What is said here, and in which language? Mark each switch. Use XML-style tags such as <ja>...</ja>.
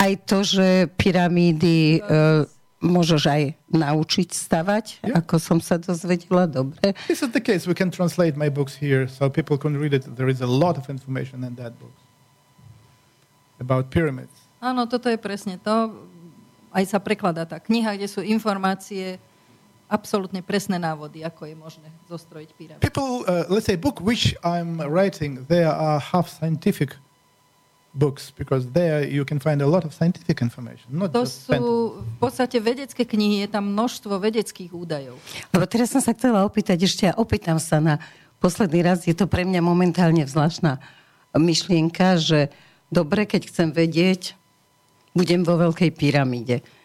<sk>Aj to, že pyramídy môžeš aj naučiť stavať, yeah. Ako som sa dozvedela, dobre.</sk> <en>This is the case. We can translate my books here so people can read it. There is a lot of information in that book about pyramids.</en> <sk>Áno, toto je presne to. Aj sa prekladá tá kniha, kde sú informácie, absolútne presné návody, ako je možné zostrojiť pyramídy.</sk> <en>People, let's say book which I'm writing, they are half scientific books, because there you can find a lot of scientific information. Not to just</en> <sk>sú v podstate vedecké knihy, je tam množstvo vedeckých údajov. Lebo teraz som sa chcela opýtať, ešte ja opýtam sa na posledný raz, je to pre mňa momentálne zvláštna myšlienka, že dobre, keď chcem vedieť, budem vo veľkej pyramíde.</sk>